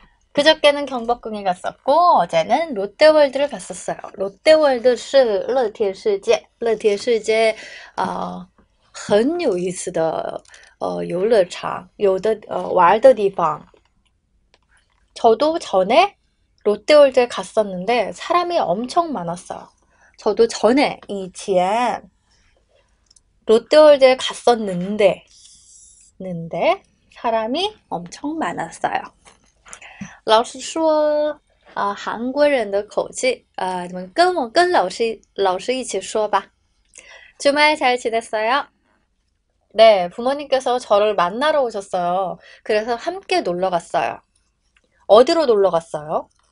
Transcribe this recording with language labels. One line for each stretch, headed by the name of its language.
Korean: 그저께는 경복궁에 갔었고 어제는 롯데월드를 갔었어요.
Chinese: 롯데월드는 乐天世界很有意思的游乐场，有的玩的地方.
Korean: 저도 전에 롯데월드에 갔었는데 사람이 엄청 많았어요. 저도 전에 이전 롯데월드에 갔었는데 사람이 엄청 많았어요.
Chinese: 老师说，韩国人的口气，你们跟老师一起说吧。
Korean: 주말잘지냈어요？ 네，부모님께서저를만나러오셨어요。 그래서함께놀러갔어요。 어디로놀러갔어요？